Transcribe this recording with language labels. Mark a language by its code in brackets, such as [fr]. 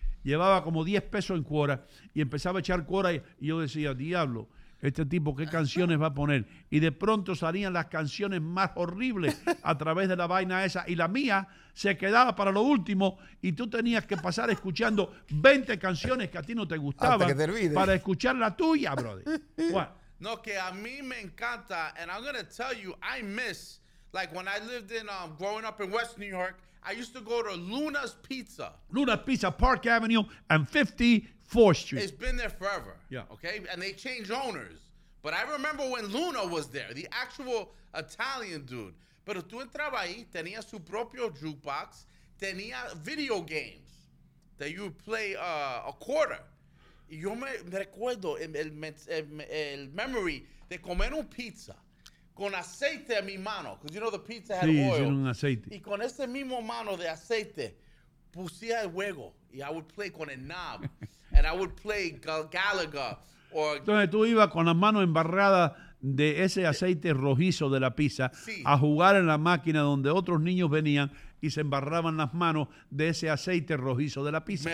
[es] Llevaba como 10 pesos en cuoras y empezaba a echar cuoras. Y yo decía, diablo, este tipo, ¿qué canciones va a poner? Y de pronto salían las canciones más horribles a través de la vaina esa. Y la mía se quedaba para lo último. Y tú tenías que pasar escuchando 20 canciones que a ti no te gustaban. Hasta que te olvides. Para escuchar la tuya, brother. Bueno. No, que a mí me encanta, [en] and I'm going to tell you, I miss, like when I lived in, growing up in West New York, I used to go to Luna's Pizza. Luna's Pizza, Park Avenue and 54th Street. It's been there forever. Yeah. Okay? And they changed owners. But I remember when Luna was there, the actual Italian dude. [es] Pero tú entrabas ahí, tenía su propio jukebox, tenía video games. [en] that you play a quarter. [es] Yo me recuerdo el memory de comer un pizza con aceite a mi mano, [en] because you know the pizza had oil. [es] Sí, un aceite. Y con ese mismo mano de aceite pusía el juego. [en] Y I would play con el knob, and I would play Gallagher. Or [es] entonces tú ibas con las manos embarradas de ese aceite rojizo de la pizza, sí, a jugar en la máquina donde otros niños venían y se embarraban las manos de ese aceite rojizo de la pizza.